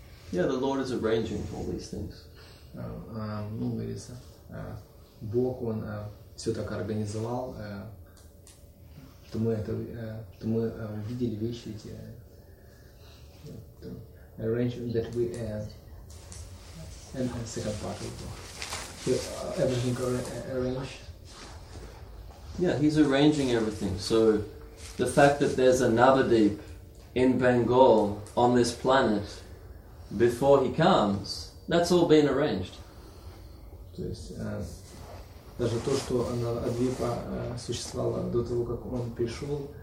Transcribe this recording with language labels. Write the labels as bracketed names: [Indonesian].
[English] Yeah, the Lord is arranging all these things. [Russian] Ну, говорится, Бог, он все так организовал, что мы это, что мы видели вещи эти. [English] Arrangement that we and second part of everything arranged. Yeah, he's arranging everything. So the fact that there's a Navadvip in Bengal on this planet before he comes, that's all been arranged. [Russian] То есть даже то, что Навадвипа существовало до того, как он пришел,